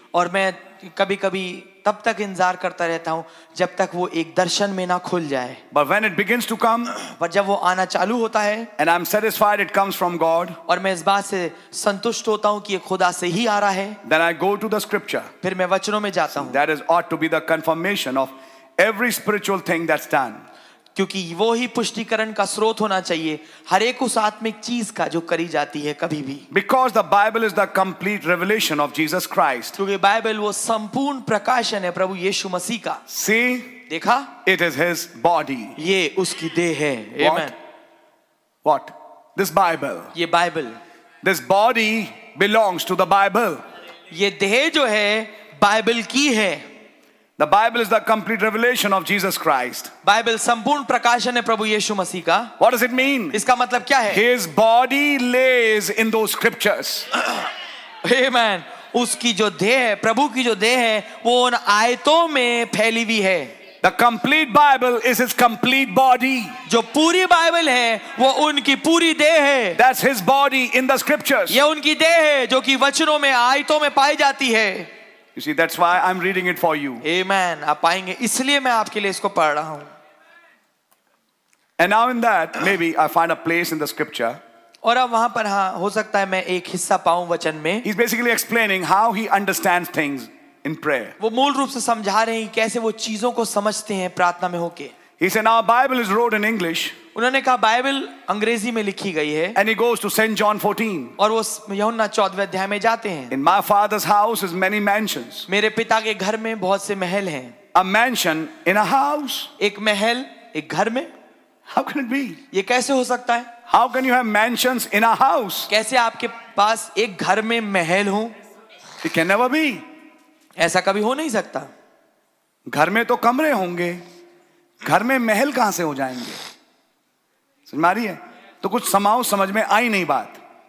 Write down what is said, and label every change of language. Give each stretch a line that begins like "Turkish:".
Hindi: और मैं कभी कभी तब तक इंतजार करता रहता हूं जब तक वो एक दर्शन में ना खुल जाए.
English: But when it begins to come,
Hindi: पर जब वो आना चालू होता है,
English: and I'm satisfied it comes from God,
Hindi: और मैं इस बात से संतुष्ट होता हूं कि ये खुदा से ही आ रहा है,
English: then I go to the scripture.
Hindi: फिर मैं वचनों में जाता हूं.
English: That is ought to be the confirmation of every spiritual thing that's done.
Hindi: क्योंकि वो ही पुष्टिकरण का स्रोत होना चाहिए हर एक उस आत्मिक चीज का जो करी जाती है कभी भी.
English: Because the Bible is the complete revelation of Jesus Christ.
Hindi: क्योंकि बाइबल वो संपूर्ण प्रकाशन है प्रभु यीशु मसीह का.
English: See,
Hindi: देखा?
English: It is his body.
Hindi: ये उसकी देह है.
English: Amen. What? This Bible.
Hindi: ये Bible.
English: This body belongs to the Bible.
Hindi: ये देह जो है बाइबल की है.
English: The Bible is the complete revelation of Jesus Christ.
Hindi: Bible संपूर्ण प्रकाशन है प्रभु यीशु मसीह का.
English: What does it mean?
Hindi: इसका मतलब क्या है?
English: His body lays in those scriptures. Amen.
Hindi: उसकी जो देह है, प्रभु की जो देह है, वो उन आयतों में फैली हुई है.
English: The complete Bible is his complete body.
Hindi: जो पूरी बाइबल है, वो उनकी पूरी देह है.
English: That's his body in the scriptures.
Hindi: ये उनकी देह है, जो कि वचनों में, आयतों में पाई जाती है.
English: You see, that's why I'm reading it for you.
Hindi: Amen. आप पाएंगे. इसलिए मैं आपके लिए इसको पढ़ रहा हूँ.
English: And now in that, maybe I find a place in the scripture.
Hindi: और अब वहाँ पर हाँ हो सकता है मैं एक हिस्सा पाऊँ वचन में.
English: He's basically explaining how he understands things in prayer.
Hindi: वो मूल रूप से समझा रहे हैं कैसे वो चीजों को समझते हैं प्रार्थना में होके.
English: He said, "Now Bible is wrote in English."
Hindi: उन्होंने कहा बाइबल अंग्रेजी में लिखी गई है.
English: And he goes to Saint John 14.
Hindi: और वो यूहन्ना 14वें अध्याय में जाते हैं.
English: In my father's house is many mansions.
Hindi: मेरे पिता के घर में बहुत से महल हैं.
English: A mansion in a house.
Hindi: एक महल एक घर में.
English: How can it be?
Hindi: ये कैसे हो सकता है?
English: How can you have mansions in a house?
Hindi: कैसे आपके पास एक घर में महल हो?
English: It can never be.
Hindi: ऐसा कभी हो नहीं सकता. घर में तो कमरे होंगे, घर में महल कहां से हो जाएंगे? समझ मारी है? तो कुछ समाओ समझ में आई नहीं बात.